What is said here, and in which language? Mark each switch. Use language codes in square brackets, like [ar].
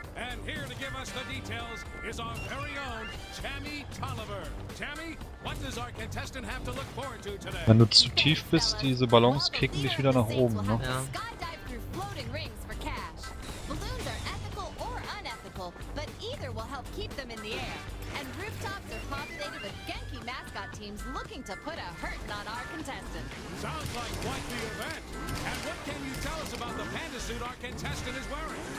[en] And here to give us the details is our very own Tammy Tolliver. Tammy, what does our contestant have to look forward to today? [de] Wenn du zu tief bist, diese Ballons kicken dich wieder nach oben, ne? [en] Ja. Skydive through floating rings for cash. Balloons are ethical or unethical, but either will help keep them in the air. And rooftops are populated with Genki mascot teams looking to put a hurtin' on our contestant. Sounds like quite the event. And what can you tell us about the panda suit our contestant is wearing?